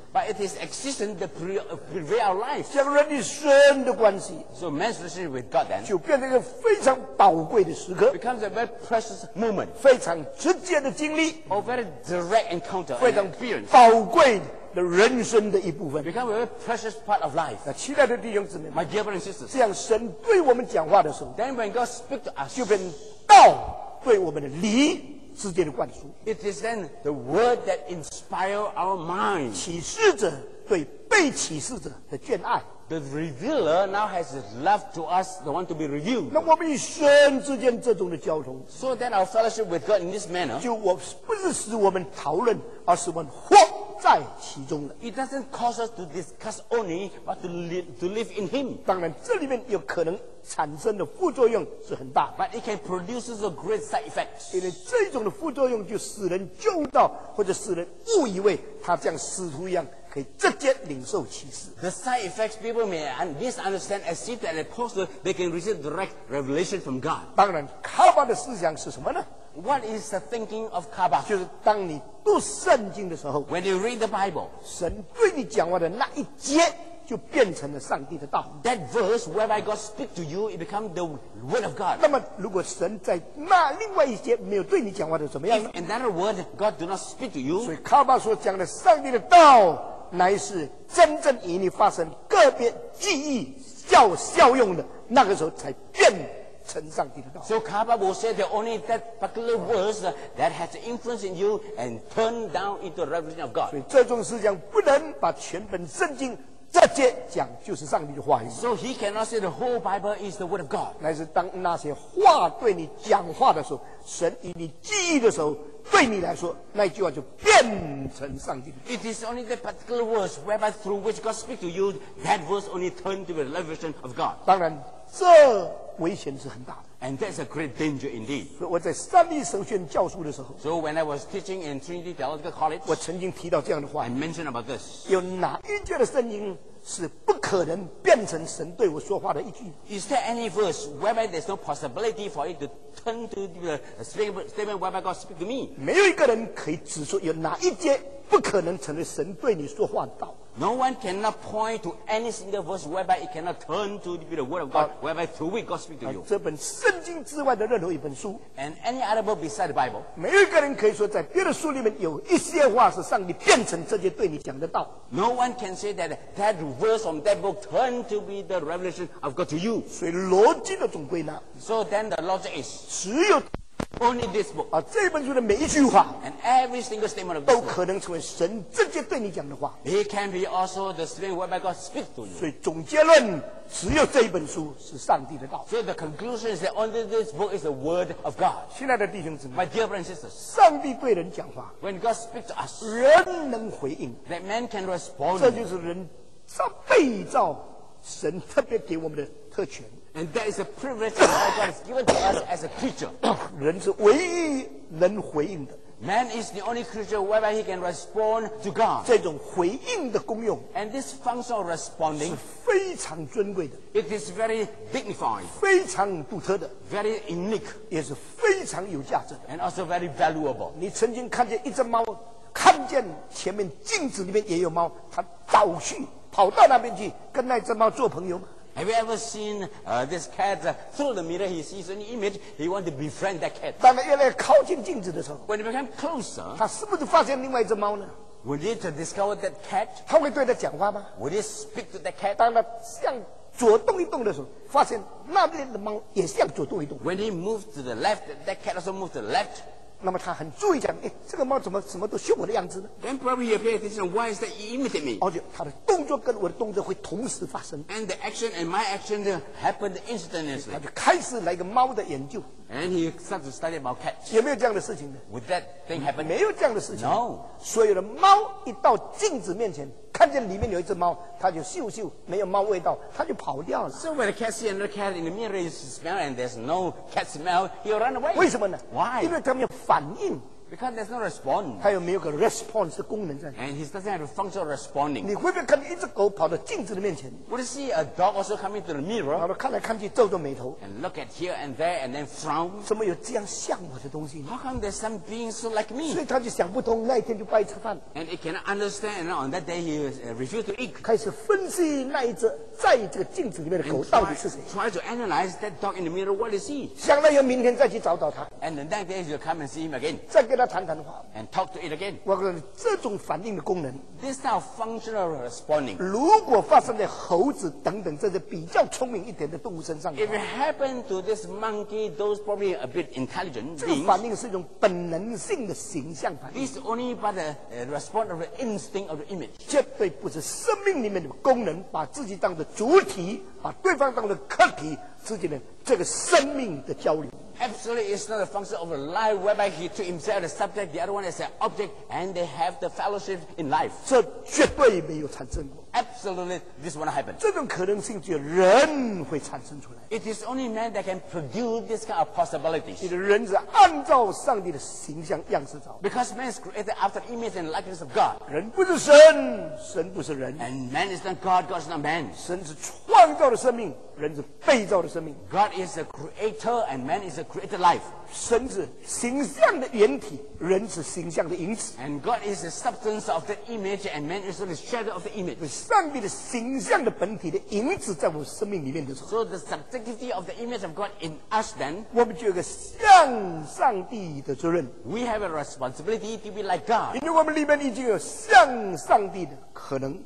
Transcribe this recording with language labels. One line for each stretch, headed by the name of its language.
English: ，but it is existence that prevails our life.
Chinese: 这样人与神的关系
English: ，so man's relationship with God then
Chinese: 就变成一个非常宝贵的时刻
English: ，becomes a very precious moment.
Chinese: 非常直接的经历
English: ，or very direct encounter,
Chinese: 非常宝贵。的人生的一部分
English: become a very precious part of life.
Chinese: 那期待的弟兄姊妹
English: ，my dear brothers and sisters，
Chinese: 这样神对我们讲话的时候
English: ，then when God speak to us，
Chinese: 就变道对我们的理之间的灌输。
English: It is then the word that inspire our mind.
Chinese: 启示者对被启示者的眷爱。
English: The revealer now has love to us, the one to be revealed.
Chinese: 那我们与神之间这种的交通
English: ，so then our fellowship with God in this manner，
Chinese: 就我不是使我们讨论，而是我们活。在其中了。
English: It doesn't cause us to discuss only, but to live in Him.
Chinese: 当然，这里面有可能产生的副作用是很大。
English: But it can produce a great side effect.
Chinese: 因为这种的副作用就使人救到，或者使人误以为他像使徒一样。可以直接领受启示。
English: The side effects people may misunderstand as if an apostle they can receive direct revelation from God.
Chinese: 当然，卡巴的思想是什么呢
English: ？What is the thinking of Kaaba?
Chinese: 就是当你读圣经的时候
English: ，When you read the Bible，
Chinese: 神对你讲话的那一节就变成了上帝的道。
English: That verse whereby God speak to you, it becomes the word of God.
Chinese: 那么，如果神在那另外一节没有对你讲话的怎么样
English: ？If another word God do not speak to you，
Chinese: 所以卡巴所讲的上帝的道。乃是真正与你发生个别记忆效效用的那个时候才变成上帝的道
English: So Kaaba will say that only that particular words that has influence in you and turn down into the revelation of God
Chinese: 所以这种思想不能把全本圣经直接讲就是上帝的话语
English: So he cannot say the whole Bible is the word of God
Chinese: 乃是当那些话对你讲话的时候神与你记忆的时候对你来说那句话就变成上帝
English: It is only the particular words whereby through which God speaks to you that verse only turned to the revelation of God
Chinese: 当然这危险是很大的。
English: And that's a great danger indeed.
Chinese: 所以我在三立神学院教书的时候
English: ，So when I was teaching in Trinity Theological College，
Chinese: 我曾经提到这样的话
English: ，I mentioned about this。
Chinese: 有哪一卷的圣经是不可能变成神对我说话的一句
English: ？Is there any verse whereby there's no possibility for it to turn to the statement whereby God speaks to me？
Chinese: 没有一个人可以指出有哪一节不可能成为神对你说话的道。
English: No one cannot point to any single verse whereby it cannot turn to be the word of God, whereby through which God speaks to you.
Chinese: 这本圣经之外的任何一本书
English: ，and any other book beside the Bible.
Chinese: 没有一个人可以说在别的书里面有一些话是上帝变成这些对你讲的道。
English: No one can say that verse from that book turned to be the revelation of God to you.
Chinese: 所以逻辑的总归呢
English: ？So then the logic is
Chinese: 只有。
English: Only this book.
Chinese: 啊，这本书的每一句话
English: ，and every single statement of this book,
Chinese: 都可能成为神直接对你讲的话。
English: It can be also the statement whereby God speaks to you.
Chinese: 所以总结论，只有这一本书是上帝的道。
English: So the conclusion is that only this book is the word of God.
Chinese: 亲爱的弟兄姊妹
English: ，My dear brothers and sisters,
Chinese: 上帝对人讲话
English: ，when God speaks to us,
Chinese: 人能回应
English: ，that man can respond.
Chinese: 这就是人造被造神特别给我们的特权。
English: And that is a privilege that God has given to us as a creature.
Chinese: 人是唯一能回应的。
English: Man is the only creature whereby he can respond to God.
Chinese: 这种回应的功用
English: ，and this function of responding
Chinese: 是非常尊贵的。
English: It is very dignified.
Chinese: 非常独特的。
English: Very unique.
Chinese: 也是非常有价值的。
English: And also very valuable.
Chinese: 你曾经看见一只猫，看见前面镜子里面也有猫，它倒去跑到那边去跟那只猫做朋友吗？
English: Have you ever seen this cat through the mirror? He sees an image. He wants to befriend that cat.
Chinese: 当他越来越靠近镜子的时候
English: ，When he becomes closer,
Chinese: 他是不是发现另外一只猫呢
English: ？Would he to discover that cat?
Chinese: 他会对他讲话吗
English: ？Would he speak to that cat?
Chinese: 当他向左动一动的时候，发现那边的猫也向左动一动。
English: When he moves to the left, that cat also moves to the left.
Chinese: 那么他很注意讲，哎，这个猫怎么什么都学我的样子呢
English: ？Then probably he pays attention. Why is that he imitate me?
Chinese: 而且他的动作跟我的动作会同时发生。
English: And the action and my action happened instantaneously.
Chinese: 他就开始来个猫的研究。
English: And he starts to study about cats.
Chinese: 有没有这样的事情呢
English: ？Would that thing happen?
Chinese: 没有这样的事情。
English: No.
Chinese: 所有的猫一到镜子面前，看见里面有一只猫，它就嗅嗅，没有猫味道，它就跑掉了。
English: So when a cat sees another cat in the mirror, it smells and there's no cat smell, he'll run away.
Chinese: 为什么呢
English: ？Why?
Chinese: 因为它没有反应。
English: Because there's no response.
Chinese: 它有没有个 response 的功能在
English: ？And he doesn't have a function of responding.
Chinese: 你会不会看见一只狗跑到镜子的面前
English: ？Would you see a dog also coming to the mirror?
Chinese: 然后看来看去，皱皱眉头。
English: And look at here and there and then frown.
Chinese: 怎么有这样像我的东西
English: ？How come there's some being so like me?
Chinese: 所以他就想不通，那一天就不爱吃饭。
English: And he cannot understand, and on that day he refused to eat.
Chinese: 开始分析那一只在这个镜子里面的狗到底是谁
English: ？Try to analyze that dog in the mirror. What is he?
Chinese: 想了以后，明天再去找找他。
English: And the next day he'll come and see him again.
Chinese: 再跟他谈谈话
English: ，and talk to it again。
Chinese: 我告诉你，这种反应的功能
English: ，this kind of functional responding，
Chinese: 如果发生在猴子等等这些比较聪明一点的动物身上
English: ，if it happened to this monkey, those probably a bit intelligent。
Chinese: 这个反应是一种本能性的形象反应
English: ，this only by the response of the instinct of the image。
Chinese: 绝对不是生命里面的功能，把自己当作主体，把对方当作客体之间的这个生命的交流。
English: Absolutely, it's not a function of a life whereby he took himself as a subject, the other one as an object, and they have the fellowship in life.
Chinese: 这绝对没有产生过。
English: Absolutely, this won't happen.
Chinese: 这种可能性只有人会产生出来。
English: It is only man that can produce this kind of possibilities.
Chinese: 你的人是按照上帝的形象样式造。
English: Because man is created after the image and likeness of God.
Chinese: 人不是神，神不是人。
English: And man is not God, God is not man.
Chinese: 神是创造的生命，人是被造的生命。
English: God is the creator and man is the created life.
Chinese: 神是形象的原体，人是形象的影子。
English: And God is the substance of the image and man is the shadow of the image.
Chinese: 上帝的形象的本体的影子在我生命里面的时候
English: ，So the subjectivity of the image of God in us then，
Chinese: 我们就有个像上帝的责任。
English: We have a responsibility to be like God，
Chinese: 因为我们里面已经有像上帝的可能。